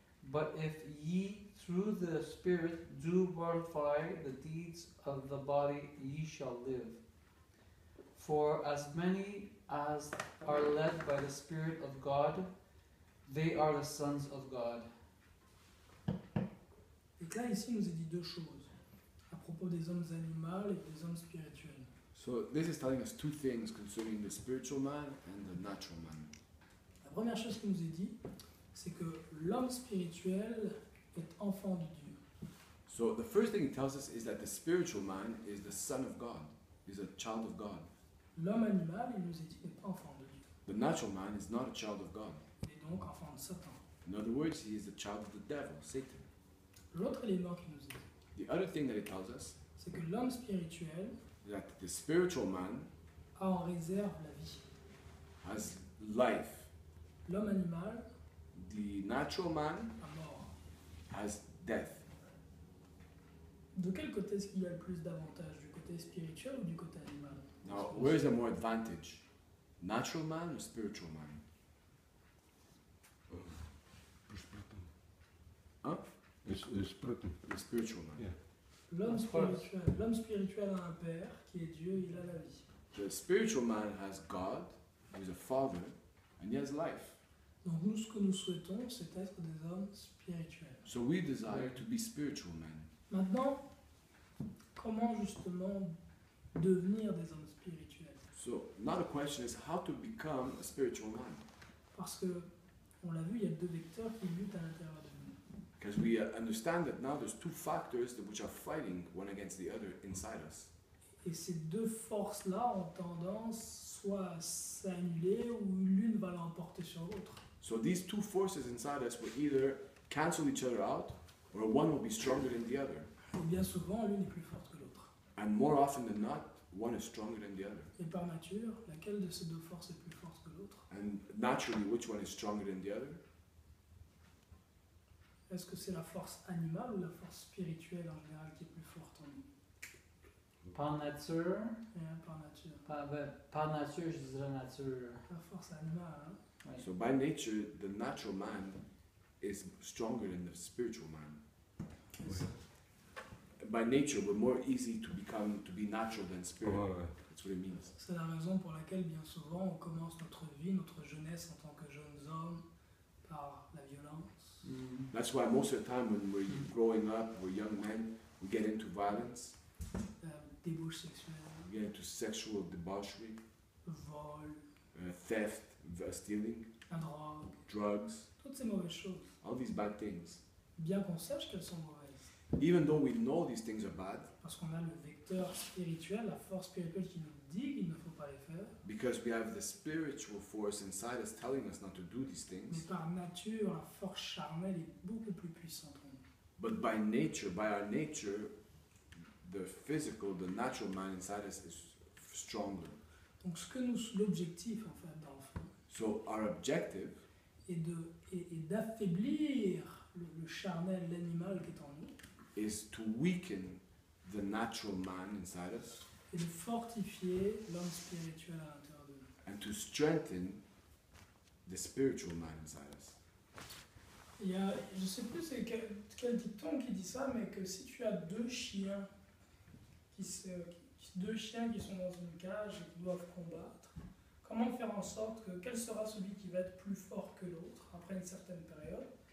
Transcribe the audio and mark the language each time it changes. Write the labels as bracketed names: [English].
[English] But if ye through the Spirit do mortify the deeds of the body, ye shall live. For as many as are led by the Spirit of God, they are the sons of God. [French] Et là, ici, nous a dit deux choses à propos des hommes animaux et des hommes spirituels. [English] So this is telling us two things concerning the spiritual man and the natural man. [French] La première chose qu'il nous a dit, c'est que l'homme spirituel est enfant de Dieu. [English] So the first thing he tells us is that the spiritual man is the son of God, is a child of God. [French] L'homme animal, il nous a dit, n'est pas enfant de Dieu. [English] The natural man is not a child of God. [French] Il est donc enfant de Satan. [English] In other words, he is a child of the devil, Satan. [French] L'autre élément qu'il nous a dit, [English] the other thing that he tells us, [French] c'est que l'homme spirituel, [English] that the spiritual man, [French] a en réserve la vie, [English] has life. [French] L'homme animal, [English] the natural man, [French] a mort, [English] has death. [French] De quel côté est-ce qu'il y a le plus d'avantages, du côté spirituel ou du côté animal? [English] Now, where is the more advantage? Natural man or spiritual man? The spiritual man. Yeah. [French] L'homme spirituel a un père qui est Dieu, il a la vie. [English] The spiritual man has God, who is a father, and he has life. [French] Donc nous, ce que nous souhaitons, c'est être des hommes spirituels. [English] So we desire to be spiritual men. [French] Maintenant, comment justement devenir des hommes spirituels? [English] So, now the question is how to become a spiritual man. [French] Parce que, on l'a vu, il y a deux vecteurs qui luttent à l'intérieur de nous. [English] Because we understand that now there's two factors that which are fighting one against the other inside us. [French] Et ces deux forces-là ont tendance soit à s'annuler ou l'une va l'emporter sur l'autre. [English] So these two forces inside us will either cancel each other out or one will be stronger than the other. [French] Et bien souvent, l'une est plus forte que l'autre. [English] And more often than not, one is stronger than the other. [French] Et par nature, laquelle de ces deux forces est plus forte que l'autre? [English] And naturally, which one is stronger than the other? [French] Est-ce que c'est la force animale ou la force spirituelle en général qui est plus forte en nous? Par nature. Yeah, par nature. Par nature, je dirais nature. La force animale. Hein? Oui. [English] So by nature, the natural man is stronger than the spiritual man. Yes. By nature, we're more easy to be natural than spiritual. That's what it means. [French] C'est la raison pour laquelle bien souvent on commence notre vie, notre jeunesse en tant que jeunes hommes par la violence. Mm-hmm. [English] That's why most of the time when we're growing up, we're young men, we get into violence. [French] Débauche sexuelle. [English] We get into sexual debauchery. [French] Vol. [English] Theft, stealing. [French] La drogue. [English] Drugs. [French] Toutes ces mauvaises choses. [English] All these bad things. [French] Bien qu'on sache qu'elles sont mauvaises. [English] Even though we know these things are bad, [French] parce qu'on a le vecteur spirituel, la force spirituelle qui nous dit qu'il ne faut pas les faire. [English] Because we have the spiritual force inside us telling us not to do these things. [French] Mais par nature, la force charnelle est beaucoup plus puissante en nous. [English] But by nature, by our nature, the physical, the natural man inside us is stronger. [French] Donc ce que nous, l'objectif en fait dans le fond. [English] So our objective [French] est de d'affaiblir le charnel, l'animal qui est en nous. [English] Is to weaken the natural man inside us. [French] Et de fortifier l'homme spirituel à l'intérieur de nous. [English] And to strengthen the spiritual man inside us. [French] Il y a, je sais plus c'est quel dicton qui dit ça, mais que si tu as deux chiens qui sont dans une cage et qui doivent combattre, comment faire en sorte que quel sera celui qui va être plus fort que l'autre après une certaine période?